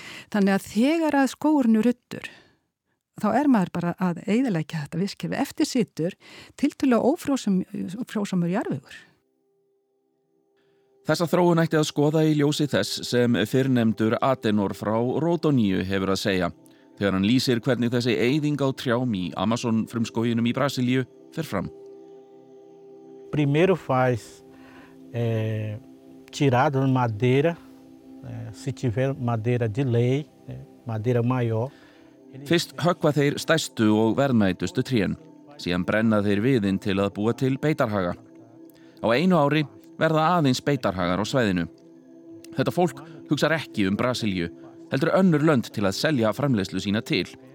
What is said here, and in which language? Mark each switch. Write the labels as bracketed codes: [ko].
[is] Þannig að þegar að skógurinn er ruddur, þá er maður bara að eyðileggja þetta vistkerfi eftir situr tiltölulega ófrjósamur jarðvegur. Þessa þróun ætti að skoða í ljósi þess sem fyrrnefndur Adenor frá Rodoníu hefur að segja þegar hann lýsir hvernig þessi eyðing á trjám í Amazon frumskóginum í Brasilíu fer fram. [pt] Primeiro faz tirada de madeira, se tiver madeira de lei, madeira maior. [is] Fyrst höggva þeir stærstu og verðmætustu trén, síðan brenna þeir viðin til að búa til beitarhaga. Á einu ári verða aðeins beitarhagar á svæðinu. Þetta fólk hugsar ekki Brasilíu, heldur önnur lönd til að selja framleiðslu sína til.